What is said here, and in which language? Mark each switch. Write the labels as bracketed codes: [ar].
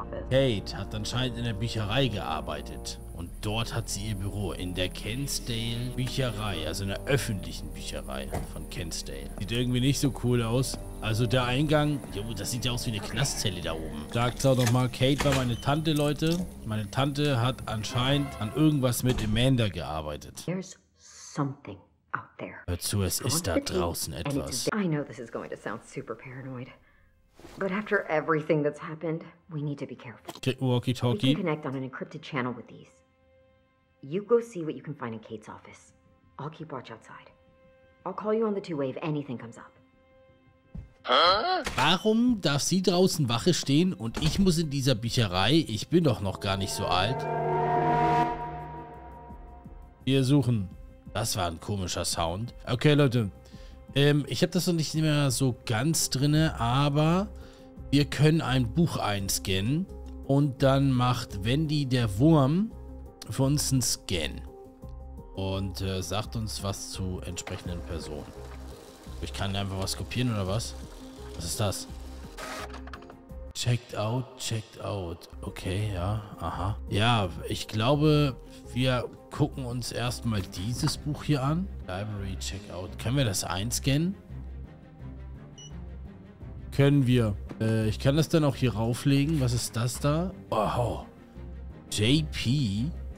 [de] Kate hat anscheinend in der Bücherei gearbeitet. Und dort hat sie ihr Büro in der Kensdale Bücherei, also in der öffentlichen Bücherei von Kensdale. Sieht irgendwie nicht so cool aus. Also der Eingang, jo, das sieht ja aus wie eine Knastzelle da oben. Sagt's auch nochmal, Kate war meine Tante, Leute. Meine Tante hat anscheinend an irgendwas mit Amanda gearbeitet. [en] There's something out there. [de] Hör zu, es ist da draußen etwas. [en] I know this is going to sound super paranoid. But after everything that's happened, we need to be careful. Okay, walkie-talkie. We can connect on an encrypted channel with these. You go see what you can find in Kate's office. I'll keep watch outside. I'll call you on the two-way if anything comes up. [de] Warum darf sie draußen Wache stehen und ich muss in dieser Bücherei? Ich bin doch noch gar nicht so alt. Wir suchen. Das war ein komischer Sound. Okay, Leute. Ich habe das noch nicht mehr so ganz drin, aber wir können ein Buch einscannen und dann macht Wendy der Wurm für uns einen Scan und sagt uns was zu entsprechenden Personen. Ich kann einfach was kopieren oder was? Was ist das? [en] Checked out, checked out. [de] Okay, ja, aha. Ja, ich glaube, wir gucken uns erstmal dieses Buch hier an. Library Checkout. Können wir das einscannen? Können wir. Ich kann das dann auch hier rauflegen. Was ist das da? Wow. JP.